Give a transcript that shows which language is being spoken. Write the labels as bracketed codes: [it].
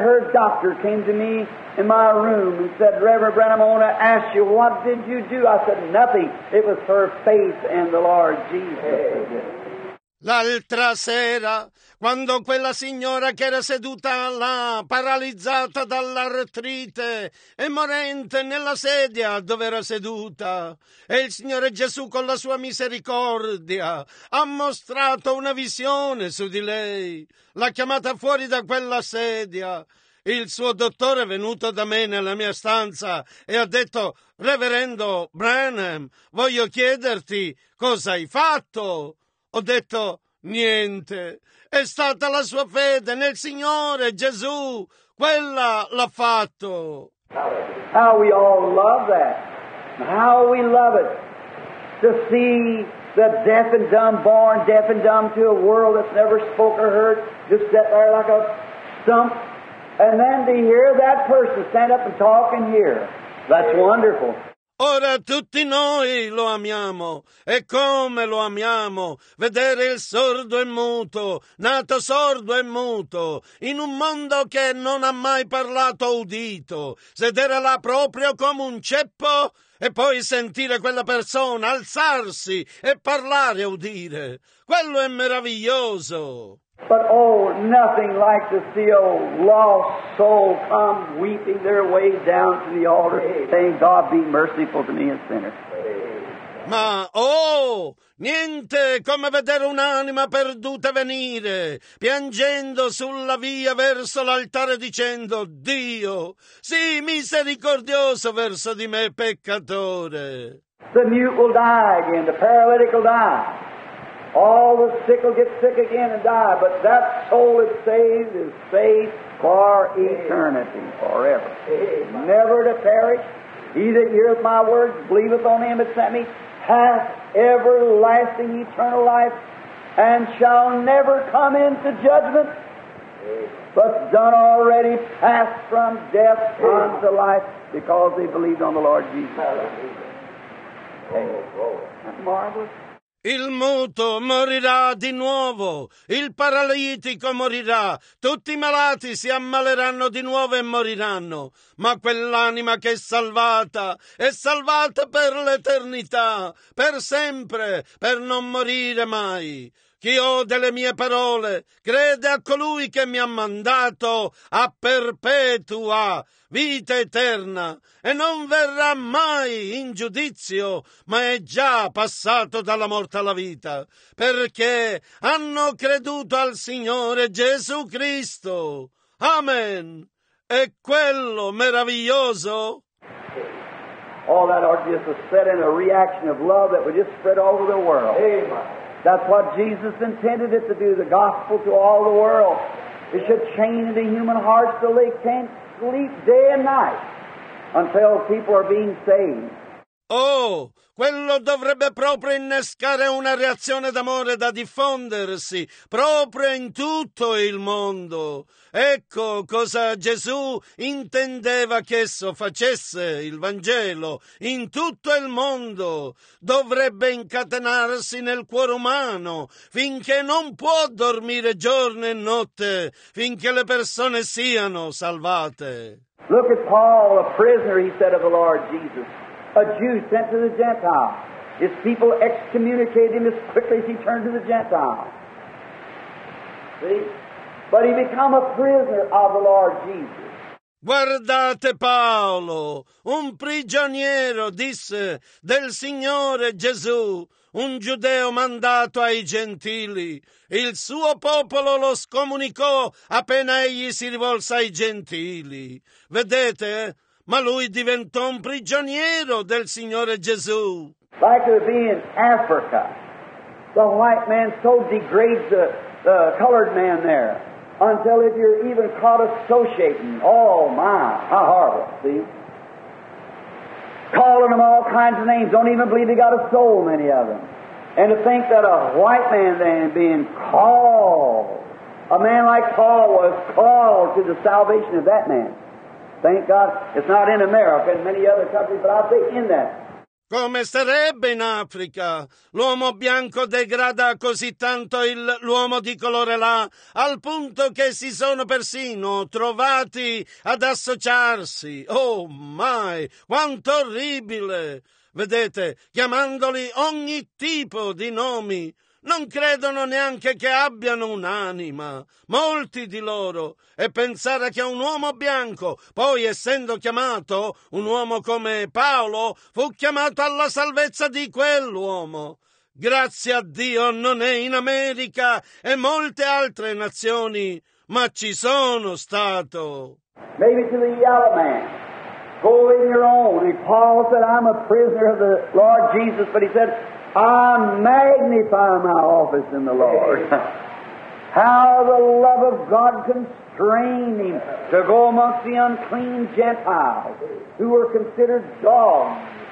[en] Her doctor came to me in my room and said, Reverend Branham, I want to ask you, what did you do? I said, nothing. It was her faith in the Lord Jesus. [it] L'altra sera, quando quella signora che era seduta là, paralizzata dall'artrite e morente nella sedia dove era seduta, e il Signore Gesù con la sua misericordia ha mostrato una visione su di lei, l'ha chiamata fuori da quella sedia. Il suo dottore è venuto da me nella mia stanza e ha detto, Reverendo Branham, voglio chiederti cosa hai fatto. Ho detto, niente, è stata la sua fede nel Signore Gesù, quella l'ha fatto. [en] How we all love that, how we love it, to see the deaf and dumb born, deaf and dumb to a world that's never spoke or heard, just sit there like a stump, And then to hear that person stand up and talk in here. That's wonderful. [it] Ora tutti noi lo amiamo, e come lo amiamo, vedere il sordo e muto, nato sordo e muto, in un mondo che non ha mai parlato o udito, sedere là proprio come un ceppo, e poi sentire quella persona alzarsi e parlare e udire. Quello è meraviglioso. [en] But oh, nothing like to see a lost soul come weeping their way down to the altar, saying, God, be merciful to me, a sinner. [it] Ma oh, niente come vedere un'anima perduta venire, piangendo sulla via verso l'altare dicendo, Dio, sii misericordioso verso di me, peccatore. [en] The mute will die again, the paralytic will die. All the sick will get sick again and die, but that soul is saved for eternity, forever. Never to perish. He that heareth my words, believeth on him that sent me, hath everlasting eternal life, and shall never come into judgment, but done already passed from death unto life, because they believed on the Lord Jesus. Amen. That's marvelous. [it] Il muto morirà di nuovo, il paralitico morirà, tutti i malati si ammaleranno di nuovo e moriranno, ma quell'anima che è salvata per l'eternità, per sempre, per non morire mai. Chi ode le mie parole, crede a colui che mi ha mandato, a perpetua vita eterna, e non verrà mai in giudizio, ma è già passato dalla morte alla vita, perché hanno creduto al Signore Gesù Cristo. Amen. È quello meraviglioso? [en] All that are just a set in a reaction of love that would just spread all over the world. Amen. That's what Jesus intended it to do, the gospel to all the world. It should chain the human hearts till they can't sleep day and night until people are being saved. [it] Oh, quello dovrebbe proprio innescare una reazione d'amore da diffondersi proprio in tutto il mondo. Ecco cosa Gesù intendeva che esso facesse, il Vangelo, in tutto il mondo. Dovrebbe incatenarsi nel cuore umano finché non può dormire giorno e notte, finché le persone siano salvate. [en] Look at Paul, a prisoner, he said of the Lord Jesus. A Jew sent to the Gentile. His people excommunicated him as quickly as he turned to the Gentile. See? But he became a prisoner of the Lord Jesus. [it] Guardate Paolo, un prigioniero, disse, del Signore Gesù, un giudeo mandato ai gentili. Il suo popolo lo scomunicò appena egli si rivolse ai gentili. Vedete? Ma lui diventò un prigioniero del Signore Gesù. [en] Like it would be in Africa, the white man so degrades the colored man there until if you're even caught associating, oh my, how horrible, see? Calling them all kinds of names, don't even believe they got a soul, many of them. And to think that a white man then being called, a man like Paul was called to the salvation of that man. Thank God it's not in America and many other countries, but I'll be in that. [it] Come sarebbe in Africa? L'uomo bianco degrada così tanto l'uomo di colore là, al punto che si sono persino trovati ad associarsi. Oh, mai! Quanto orribile! Vedete, chiamandoli ogni tipo di nomi. Non credono neanche che abbiano un'anima, molti di loro, e pensare che un uomo bianco, poi essendo chiamato, un uomo come Paolo, fu chiamato alla salvezza di quell'uomo. Grazie a Dio non è in America e molte altre nazioni, ma ci sono stato. [en] Maybe to the yellow man, go in your own. And Paul said, I'm a prisoner of the Lord Jesus, but he said, I magnify my office in the Lord. How the love of God constrained him to go amongst the unclean Gentiles who were considered dogs.